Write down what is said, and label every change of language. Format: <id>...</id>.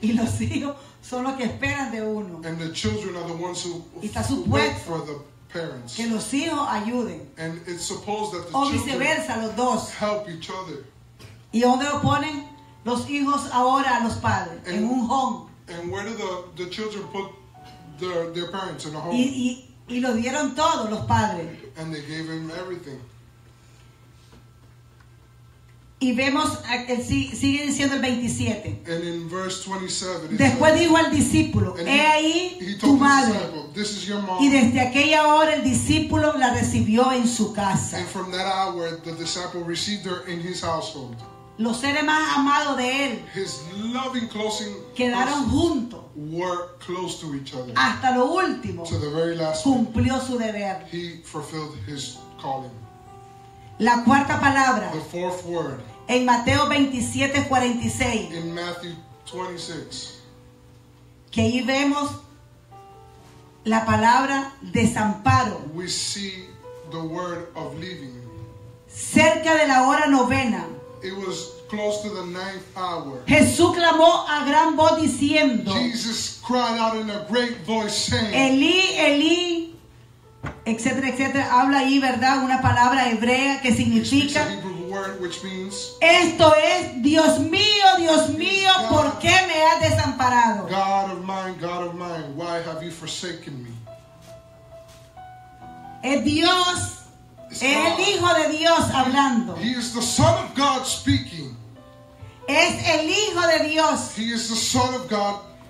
<es>Y los hijos son los que esperan de uno.</es> <en>And the children are the ones who wait for the parents.</en> <es>Que los hijos ayuden.</es> <en>And it's supposed that the</en> <es>o viceversa,</es> <en>children</en> <es>los dos</es> <en>help each other.</en> <es>¿Y dónde lo ponen los hijos ahora a los padres?</es> <en>And</en> <es>en un home.</es> <en>And where do the children put their parents in a home?</en> <es>Y lo dieron todo, los padres.</es> <en>And they gave him everything.</en> <es>Y vemos, sigue diciendo el 27.</es> <en>And in verse 27,</en> <es>después</es> <en>says,</en> <es>dijo al discípulo, he ahí tu madre.</es> <en>This is your mom.</en> <es>Y desde aquella hora el discípulo la recibió en su casa.</es> <en>And from that hour the disciple received her in his household.</en> <es>Los seres más amados de él,</es> <en>his loving, closing,</en> <es>quedaron juntos,</es> <en>were close to each other,</en> <es>hasta lo último,</es> <en>to the very last,</en> <es>cumplió su deber.</es> <en>He fulfilled his calling.</en> <es>La cuarta palabra,</es> <en>the fourth word,</en> <es>en Mateo 27:46,</es> <en>in Matthew 26,</en> <es>que ahí vemos la palabra desamparo,</es> <en>we see the word of leaving,</en> <es>cerca de la hora novena.</es> <en>It was close to the ninth hour.</en> <es>Jesús clamó a gran voz diciendo,</es> <en>Jesus cried out in a great voice saying,</en> <es>Eli, Eli, etcétera, etcétera. Habla ahí, ¿verdad? Una palabra hebrea que significa,</es> <en>a Hebrew word which means,</en> <es>esto es, Dios mío, ¿por qué me has desamparado?</es> <en>God of mine, why have you forsaken me?</en> <es>Es Dios. Es el Hijo de Dios hablando.</es> <en>He is the Son of God speaking.</en> <es>Es el Hijo de Dios.</es> <en>He is the Son of God.</en>